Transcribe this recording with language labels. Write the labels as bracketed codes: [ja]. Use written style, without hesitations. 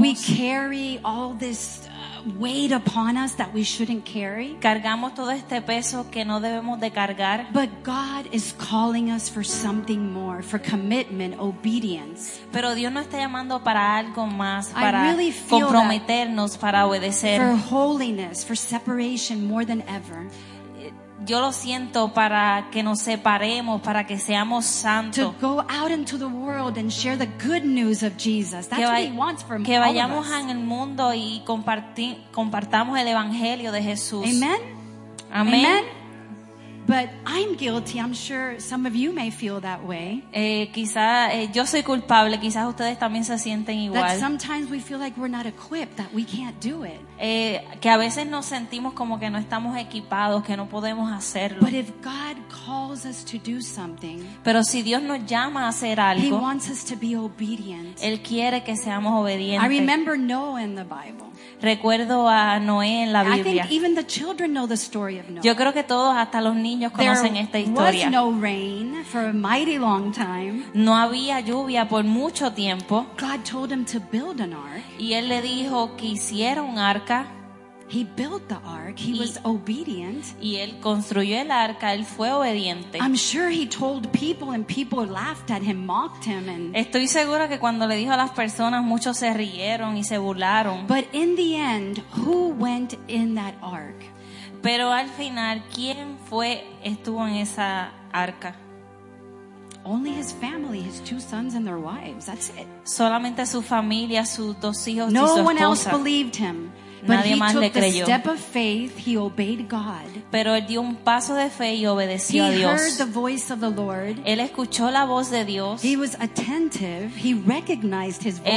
[en] We carry all this weight upon us that we shouldn't carry. [es] Cargamos todo este peso que no debemos de cargar. [en] But God is calling us for something more, for commitment, obedience. [es] Pero Dios nos está llamando para algo más, para comprometernos, para obedecer. [en] For holiness, for separation more than ever. [es] Yo lo siento para que nos separemos, para que seamos santos. [en] To go out into the world and share the good news of Jesus. That's what he wants from us. [es] Que vayamos en el mundo y compartamos el evangelio de Jesús. Amen. Amen. Amen. [en] But I'm guilty. I'm sure some of you may feel that way. [es] Yo soy culpable. Quizás ustedes también se sienten igual. [en] That sometimes we feel like we're not equipped, that we can't do it. [es] Que a veces nos sentimos como que no estamos equipados, que no podemos hacerlo. [en] But if God calls us to do something, [es] pero si Dios nos llama a hacer algo, [en] He wants us to be obedient. [es] Él quiere que seamos obedientes. [en] I remember Noah in the Bible. [es] Recuerdo a Noé en la Biblia. [en] I think even the children know the story of Noah. [es] Yo creo que todos, hasta los niños, conocen esta historia. [en] There was no rain for a mighty long time. [es] No había lluvia por mucho tiempo. [en] God told him to build an ark. [es] Y él le dijo que hiciera un arca. [en] He built the ark. He was obedient. [es] Y él construyó el arca. Él fue obediente. [en] I'm sure he told people, and people laughed at him, mocked him, and. [es] Estoy segura que cuando le dijo a las personas, muchos se rieron y se burlaron. [en] But in the end, who went in that ark? [es] Pero al final, ¿quién estuvo en esa arca? [en] Only his family, his two sons and their wives. That's it. [es] Solamente su familia, sus dos hijos y su esposa. [en] No one else believed him. But he took the step of faith. He obeyed God. [es] Pero él dio un paso de fe y obedeció [en] he [es] a Dios. [en] He heard the voice of the Lord. [es] Él escuchó la voz de Dios. [en] He was attentive. He recognized his voice.